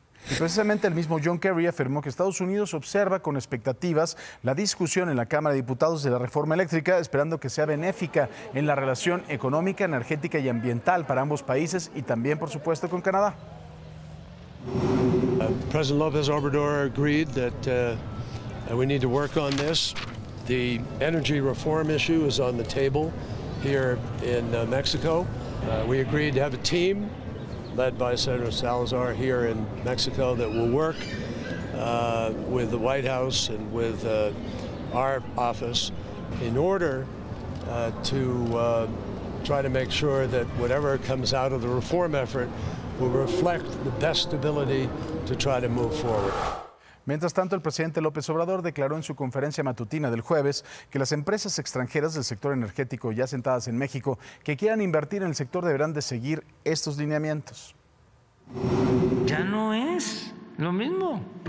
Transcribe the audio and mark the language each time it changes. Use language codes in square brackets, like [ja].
[es] Y precisamente el mismo John Kerry afirmó que Estados Unidos observa con expectativas la discusión en la Cámara de Diputados de la reforma eléctrica, esperando que sea benéfica en la relación económica, energética y ambiental para ambos países y también, por supuesto, con Canadá. [en] President López Obrador agreed that we need to work on this. The energy reform issue is on the table here in Mexico. We agreed to have a team led by Senator Salazar here in Mexico that will work with the White House and with our office in order to try to make sure that whatever comes out of the reform effort will reflect the best ability to try to move forward. [es] Mientras tanto, el presidente López Obrador declaró en su conferencia matutina del jueves que las empresas extranjeras del sector energético ya sentadas en México que quieran invertir en el sector deberán de seguir estos lineamientos. Ya no es lo mismo.